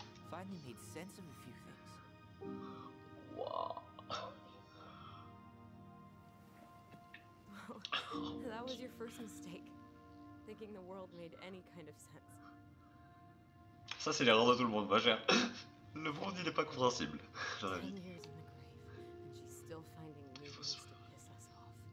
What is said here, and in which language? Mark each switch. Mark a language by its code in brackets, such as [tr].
[en] Finally made sense of a few things. Wow. That was your first mistake. Thinking the world made any kind of sense. [fr] Ça c'est l'erreur de tout le monde, majeur. Le monde n'est pas compréhensible. Dans la vie. [en] Years in the grave, and she's still finding new ways to piss us off.